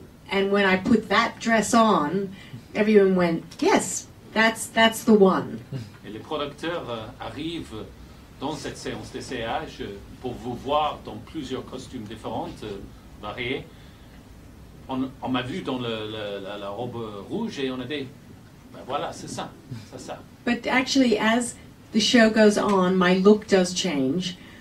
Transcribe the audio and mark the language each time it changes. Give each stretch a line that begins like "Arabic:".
English: And when I put that dress on, everyone went, yes, that's the one.
French: Et les producteurs arrivent dans cette séance d'essayage, pour vous voir dans plusieurs costumes différents, variés, on m'a vu dans la robe rouge et on a dit, ben voilà, c'est ça.
English: But actually, as the show goes on, my look does change.